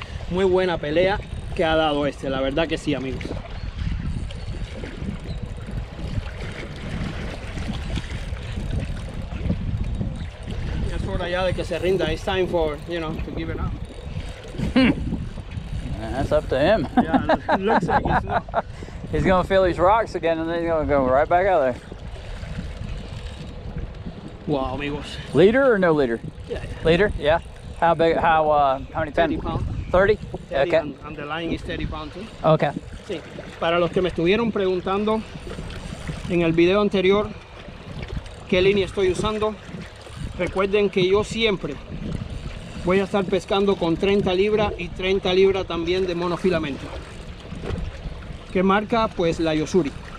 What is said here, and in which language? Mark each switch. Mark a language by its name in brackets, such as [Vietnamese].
[Spanish] Muy buena pelea que ha dado este, la verdad que sí, amigos. Es hora ya de que se rinda. [English] It's time for, you know, to give it up. That's up to him. Yeah, looks like he's not. He's gonna feel these rocks again and then he's gonna go right back out there. [Spanish] Wow, amigos. [English] Liter or no liter? Yeah. Liter? Yeah. How big? How many pounds? 30 pounds. 30? Okay. And the line is 30 pounds too. Okay. [Spanish] Sí. Para los que me estuvieron preguntando en el video anterior qué línea estoy usando, recuerden que yo siempre voy a estar pescando con 30 libras y 30 libras también de monofilamento. ¿Qué marca? Pues la Yosuri.